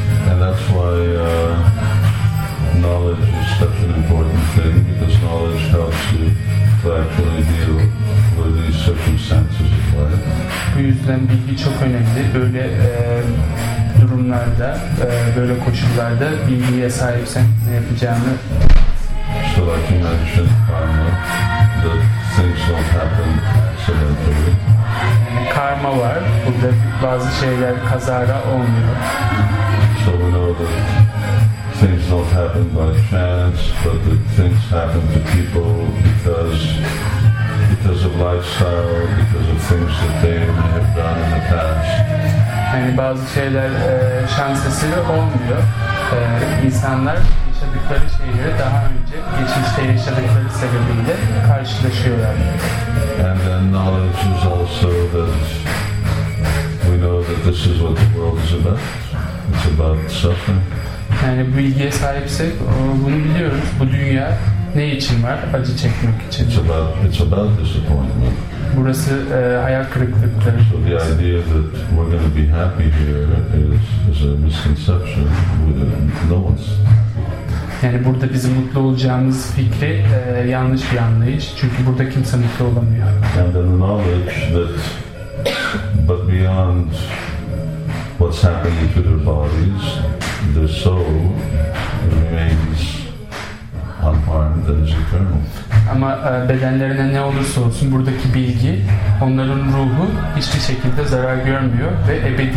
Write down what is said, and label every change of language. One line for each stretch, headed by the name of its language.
English: And that's why knowledge is such an important thing, because knowledge helps you to actually deal with these circumstances of life.
Turkish: Bu yüzden bilgi çok önemli. Böyle durumlarda, böyle koşullarda bilgiye sahipsen ne yapacağını.
English: So like you mentioned, karma, that things don't happen accidentally.
Turkish: Yani karma var. Burada bazı şeyler kazara olmuyor.
English: So we know that things don't happen by chance, but that things happen to people because of lifestyle, because of things that they may have done in the past.
Turkish: Yani bazı şeyler şans eseri olmuyor. İnsanlar yaşadıkları şeyleri daha önce geçmişte yaşadıkları sebebiyle karşılaşıyorlar.
English: And then knowledge is also that we know that this is what the world is about. It's about suffering.
Turkish: Yani bilgiye sahipsek bunu biliyoruz. Bu dünya ne için var? Acı çekmek için.
English: It's about disappointment.
Turkish: Burası hayal kırıklıkları.
English: So the idea that we're going to be happy here is a misconception. No one's.
Turkish: Yani burada bizim mutlu olacağımız fikri yanlış bir anlayış. Çünkü burada kimse mutlu olamıyor.
English: And the knowledge that but beyond what's happening to their bodies, their soul remains unharmed and is eternal.
Turkish: Ama bedenlerine ne olursa olsun buradaki bilgi, onların ruhu hiçbir şekilde zarar görmüyor ve ebedidir.